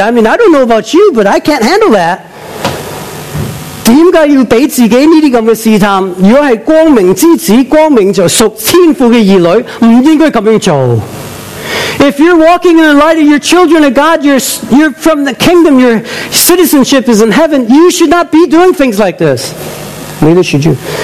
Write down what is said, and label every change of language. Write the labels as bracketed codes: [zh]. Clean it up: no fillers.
[en] I mean, I don't know about you, but I can't handle that. [yue] 点解要俾自己呢啲咁嘅试探？如果系光明之子，光明就属天父嘅儿女，唔应该咁样做。 [en] If you're walking in the light of your children of God, you're from the kingdom, your citizenship is in heaven, you should not be doing things like this. Neither should you.